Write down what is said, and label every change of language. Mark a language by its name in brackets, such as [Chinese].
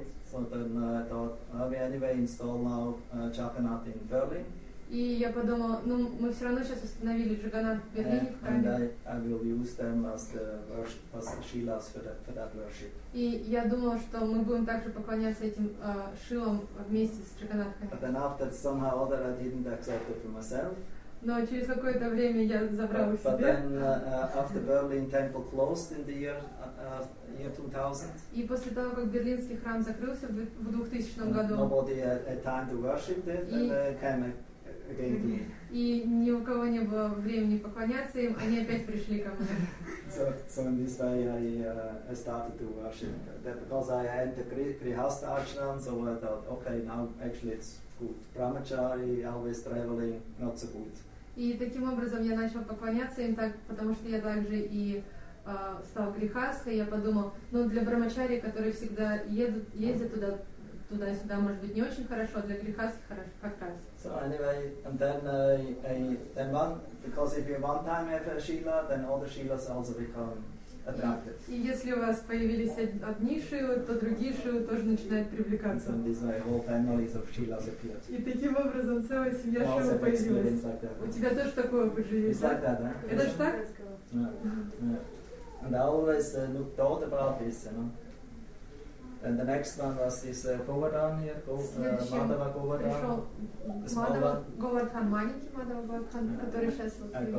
[English] So then I thought, we anyway install now Jagannath in Berlin. [Russian] И я подумала, ну мы все равно сейчас установили Джаганат в Берлине в храме. [English] And I will use them as the worship, as the shilas for that worship. [Russian] И я думала, что мы будем также поклоняться этим шилам вместе с Джаганатхой. [English] But then after somehow other I didn't accept it for myself. [Russian] Но через какое-то время я забрал себе. [English] But then after Berlin temple closed in the year year 2000. [Russian] И после того, как Берлинский храм закрылся в 2000 году. [English] Nobody had time to worship it, and came again to me. [Russian] И ни у кого не было времени поклоняться им, они опять пришли ко мне. [English] So in this way I started to worship. That because I had the Grihastha ashram, so I thought, okay, now actually it's Brahmachari, always traveling, not so good. [Russian] И таким образом я начал поклоняться им, так, потому что я также и стал грехастхой. Я подумал, ну для брахмачари, которые всегда ездят туда-сюда, может быть, не очень хорошо, для грехастхи хорошо, как раз. [English] So anyway, and then because if you one time have a shila, then other shilas also become attractive. [Russian] И если у вас появились одни шилы, то другие шилы тоже начинают привлекаться. [English] And so this whole family of shilas appeared. [Russian] И таким образом целая семья шилы появилась. [English] Like that, [Russian] у тебя тоже такое опыт жизни? [English] It's like that, [Russian] eh? Это ж так? [English] Yeah. Yeah. And I always thought about this, you know. And the next one was this Govardhan here, Madhava Govardhan. [Russian] Madhava Govardhan, маленький Madhava Govardhan, который сейчас вот видите.